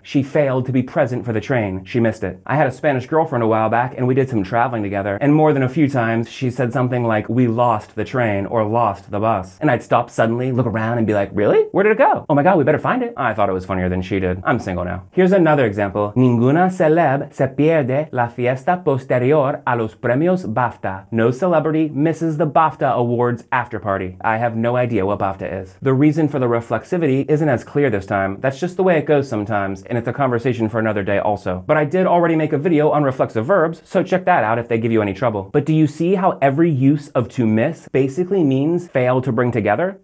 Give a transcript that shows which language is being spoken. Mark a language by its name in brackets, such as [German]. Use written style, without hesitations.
[English] She failed to be present for the train. She missed it. I had a Spanish girlfriend a while back, and we did some traveling together, and more than a few times, she said something like, we lost the train, or lost the bus. And I'd stop suddenly, look around, and be like, really? Where did it go? Oh my god, we better find it. I thought it was funnier than she did. I'm single now. Here's another example. [Spanish] Ninguna celeb se pierde la fiesta posterior a los premios BAFTA. [English] No celebrity misses the BAFTA awards after party. I have no idea what BAFTA is. The reason for the reflexivity isn't as clear this time. That's just the way it goes sometimes, and it's a conversation for another day also. But I did already make a video on reflexive verbs, so check that out if they give you any trouble. But do you see how every use of to miss basically means fail to bring together?